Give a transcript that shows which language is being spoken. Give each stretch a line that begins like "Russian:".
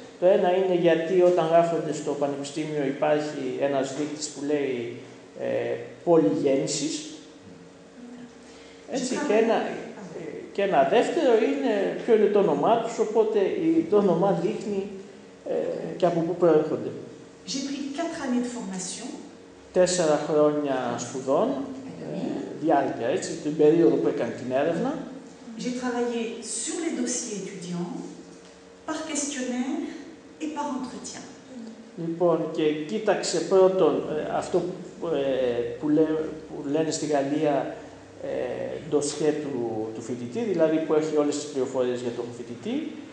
Greek: Το ένα είναι γιατί όταν γράφονται στο πανεπιστήμιο υπάρχει ένας δείκτης που λέει πόλη γέννησης. Έτσι, και ένα Και ένα δεύτερο είναι ποιο είναι το όνομά του, οπότε το όνομά δείχνει και από πού προέρχονται.
French: J'ai pris 4 années de formation.
Greek: 4 χρόνια σπουδών, διάρκεια έτσι, την περίοδο που έκανε την έρευνα.
French: J'ai travaillé sur les dossiers étudiants, par questionnaire et par entretien.
Greek: Λοιπόν, και κοίταξε πρώτον αυτό που λένε στη Γαλλία ντοσιέ του φοιτητή, δηλαδή που έχει όλες τις πληροφορίες για τον φοιτητή.